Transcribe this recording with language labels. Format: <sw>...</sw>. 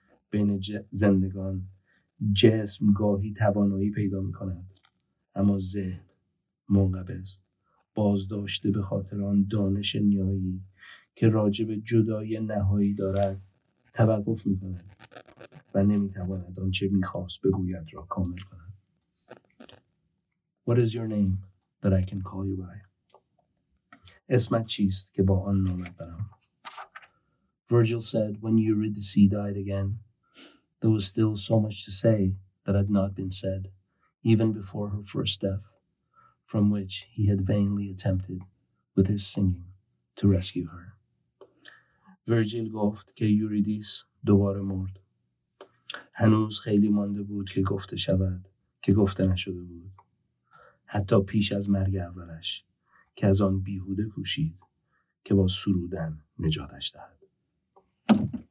<fa>بین زندگان جسم گاهی توانایی پیدا می کند، اما ذهن منقبض، بازداشته به خاطر آن دانش نهایی که راجب جدای نهایی دارد توقف می کند و نمی تواند آنچه می خواست بگوید را کامل کند.</fa> <en>What is your name that I can call you by?</en> <fa>اسمت چیست که با آن نامت برم؟</fa> <en>Virgil said, when Eurydice died again, there was still so much to say that had not been said, even before her first death. From which he had vainly attempted with his singing to rescue her.</en> <fa>Virgil گفت که یوریدیس دوباره مرد. هنوز خیلی مانده بود که گفته شود که گفته نشده بود. حتی پیش از مرگ اولش که از آن بیهوده کوشید که با سرودن نجاتش دهد.</fa>